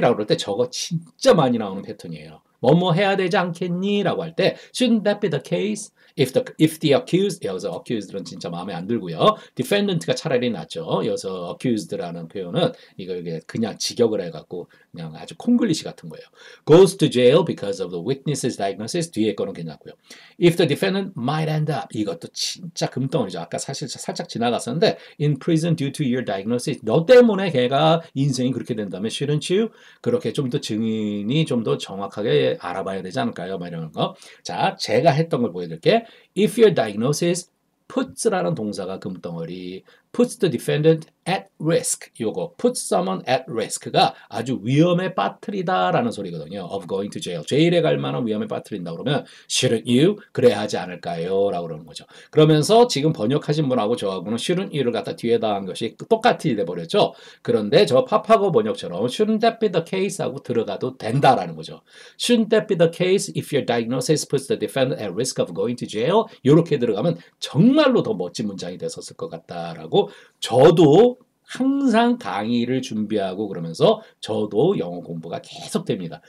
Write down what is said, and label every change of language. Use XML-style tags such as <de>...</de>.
<ko>라고 그럴 때 저거 진짜 많이 나오는 패턴이에요. 뭐뭐 해야 되지 않겠니? 라고 할 때</ko> <en>Shouldn't that be the case? If the accused,</en> <ko>여기서 accused는 진짜 마음에 안 들고요. Defendant가 차라리 낫죠. 여기서 accused라는 표현은 이걸 그냥 직역을 해갖고 그냥 아주 콩글리시 같은 거예요.</ko> <en>Goes to jail because of the witness's diagnosis.</en> <ko>뒤에 거는 괜찮고요.</ko> <en>If the defendant might end up,</en> <ko>이것도 진짜 금덩어리죠. 아까 사실 살짝 지나갔었는데</ko> <en>in prison due to your diagnosis.</en> <ko>너 때문에 걔가 인생이 그렇게 된다면</ko> <en>shouldn't you?</en> <ko>그렇게 좀 더 증인이 좀 더 정확하게 알아봐야 되지 않을까요? 막 이런 거. 자, 제가 했던 걸 보여드릴게요.</ko> <en>If your diagnosis puts라는 동사가 금덩어리 puts the defendant at risk 요거 puts someone at risk가</en> <ko>아주 위험에 빠뜨리다라는 소리거든요.</ko> <en>Of going to jail.</en> <ko>제일에 갈 만한 위험에 빠뜨린다 그러면</ko> <en>shouldn't you?</en> <ko>그래야 하지 않을까요? 라고 그러는 거죠. 그러면서 지금 번역하신 분하고 저하고는 shouldn't you를 갖다 뒤에다 한 것이 똑같이 돼버렸죠. 그런데 저 파파고 번역처럼</ko> <en>shouldn't that be the case?</en> <ko>하고 들어가도 된다라는 거죠.</ko> <en>Shouldn't that be the case if your diagnosis puts the defendant at risk of going to jail?</en> <ko>이렇게 들어가면 정말로 더 멋진 문장이 됐었을 것 같다라고 저도 항상 강의를 준비하고 그러면서 저도 영어 공부가 계속 됩니다.</ko>